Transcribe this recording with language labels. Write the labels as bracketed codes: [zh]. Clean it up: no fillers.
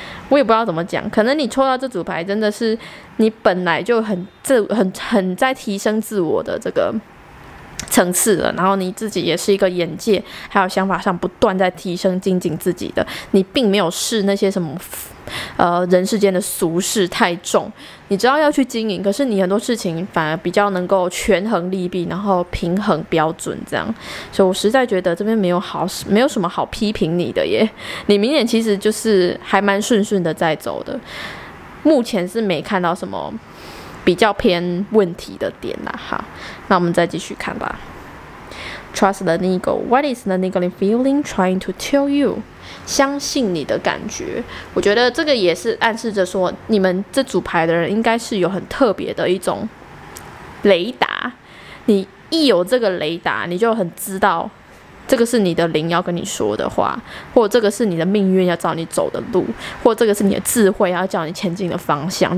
[zh] 我也不知道怎么讲，可能你抽到这组牌真的是你本来就 很在提升自我的这个层次了，然后你自己也是一个眼界还有想法上不断在提升精进自己的，你并没有视那些什么人世间的俗事太重，你知道要去经营，可是你很多事情反而比较能够权衡利弊，然后平衡标准这样。所以我实在觉得这边没有什么好批评你的耶，你明年其实就是还蛮顺顺的在走的，目前是没看到什么比较偏问题的点啦。好，那我们再继续看吧。 [en] Trust the needle. What is the needle feeling trying to tell you? [zh] 相信你的感觉。我觉得这个也是暗示着说，你们这组牌的人应该是有很特别的一种雷达。你一有这个雷达，你就很知道这个是你的灵要跟你说的话，或这个是你的命运要找你走的路，或这个是你的智慧要叫你前进的方向。